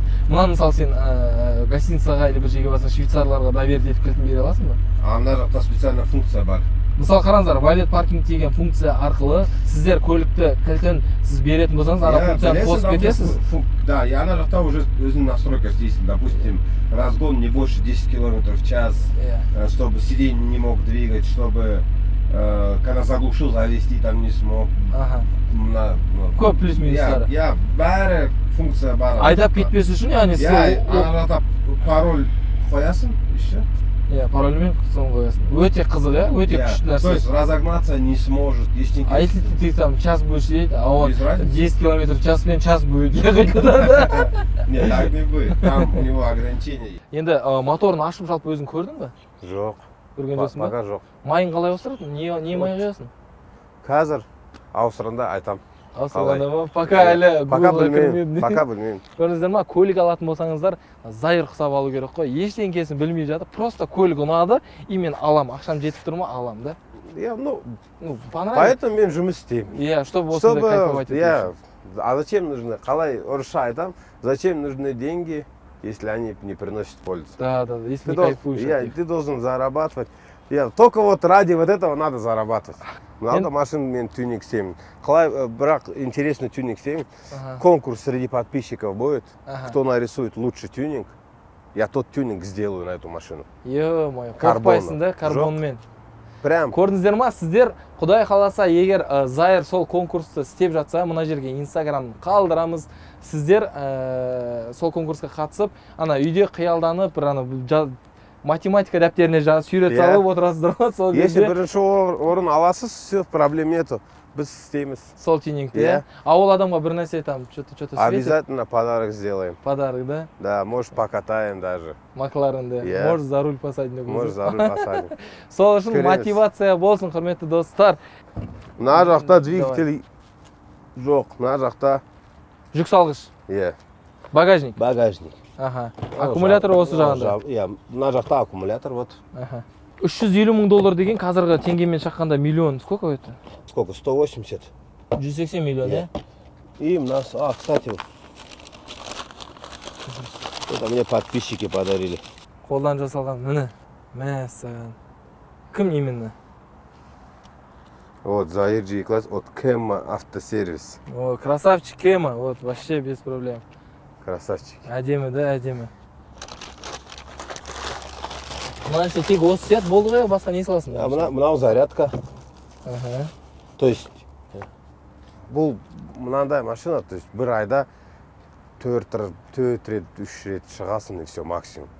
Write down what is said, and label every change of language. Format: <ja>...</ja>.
<kk>Мына мысалы сен гостиницаға или бір жерге барсаң, швейцарларға доверить етіп кілтін бере аласың ба? Ана жақта</kk> <ru>специальная функция</ru> <kk>бар. Мысалы қараңыздар, валет паркинг деген функция арқылы сіздер көлікті кілтін сіз беретін болсаңыз, ана функцияны қосып кетесіз.</kk> <ru>Да, и</ru> <kk>ана жақта уже өзің настройка істейсің.</kk> <ru>Допустим, разгон не больше 10 км/ч, чтобы сиденье не мог двигать, чтобы когда заглушил, завести там не смог.</ru> <kk>Ага. Көп плюс-минустары. Я бәрі функция бар. Айдап кетпес үшін, яғни сіз арата пароль қоясың, еще. Иә, парольмен соны қоясың. Өте қызық, иә, өте күшті нәрсе.</kk> <ru>То есть разогнаться не сможет, ештеңке. А если ты там час будешь ездить, а он 10 км/ч мен час будет ехать туда, да? Нет, так не будет. Там у него ограничение.</ru> <kk>Енді моторын ашып жалпы өзің көрдің ба? Жоқ. Көрген жоқсың ба? Пока жоқ. Майын қалай ауыстырдың? Не майын құясың? Қазір ауыстырғанда айтамын. Ауыстырғанда ма? Пока әлі пока білмеймін. Көрдіңіздер ма? Көлік алатын болсаңыздар, Зайыр құсап алу керек қой. Ештеңкесін білмей жатып, просто көлік ұнады и мен аламын. Ақшам жетіп тұр ма? Аламын, да? Иә, поэтому мен жұмыс істеймін.</kk> <ru>Иә, чтобы осындай кайфовать етуші. А зачем нужны?</ru> <kk>Қалай ұрыша айтамын?</kk> <ru>Зачем нужны деньги? Если они не приносят пользу. Да, если ты не кайфуешь. Ты должен зарабатывать. Только вот ради вот этого надо зарабатывать. Надо машину мен тюнинг семь. Хлай, брак, интересный тюнинг семь. Ага. Конкурс среди подписчиков будет. Ага. Кто нарисует лучший тюнинг, я тот тюнинг сделаю на эту машину. Е-мое, карбон. Да? Карбон мен. Прям.</ru> <kk>Көрдіңіздер ма, сіздер құдай қаласа, егер Зайыр сол конкурсты істеп жатса, мына жерге инстаграм қалдырамыз. Сіздер сол конкурсқа қатысып, ана үйде қиялданып, бір ана математика дәптеріне сүйрет салып отырасыздар ма? Сол кезде. Если бірінші орын аласыз,</kk> <ru>все, проблем нету.</ru> <kk>Біз істейміз. Сол тюнингті, иә? А ол адамға бір нәрсе там,</kk> <ru>что-то светит? Обязательно подарок сделаем. Подарок, да? Да, можешь покатаем даже. Макларен, да?</ru> <en>Yeah.</en> <ru>Можешь за руль посадить. Можешь за руль посадить.</ru> <kk>Сол үшін мотивация болсын, құрметті достар. Мына жақта двигатель жоқ, мына жақта... Жүк салғыш? Иә. Багажник? Багажник. Аха. Аккумулятор осы жағында? Иә, мына жақта аккумулятор, вот. Аха. 350 мың доллар деген қазіргі теңгемен шаққанда миллион</kk> <ru>сколько это? Сколько? 180. 180 миллион, да? И у нас, кстати, это мне подписчики подарили.</ru> <kk>Қолдан жасалған, міне, мәссаған. Кім именно?</kk> <ru>Вот, Zahir G класс от Кема автосервис. О, красавчик Кема, вот, вообще без проблем. Красавчик.</ru> <kk>Әдемі, да, әдемі. Мына жерде тек осы сияқты болды ғой, басқа не саласың? Мынау зарядка. Аха. То есть бұл мынандай машина, то есть бір айда төрт рет үш рет шығасың</kk> <ru>и все максимум.</ru>